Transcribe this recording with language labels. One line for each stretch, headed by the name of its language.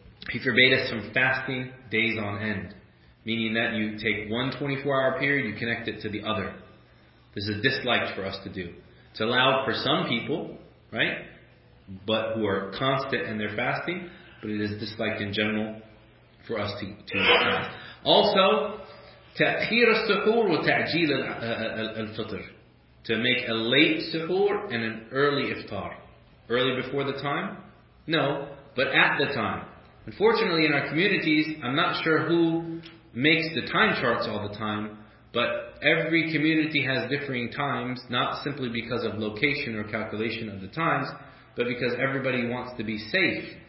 English: He forbade us from fasting days on end. Meaning that you take one 24-hour period, you connect it to the other. This is disliked for us to do. It's allowed for some people, right? But who are constant in their fasting, but it is disliked in general for us to fast. Also,
Arabic: تأخير السحور وتعجيل الفطر.
English: To make a late suhoor and an early iftar. Early before the time? No, but at the time. Unfortunately in our communities, I'm not sure who makes the time charts all the time, but every community has differing times, not simply because of location or calculation of the times, but because everybody wants to be safe.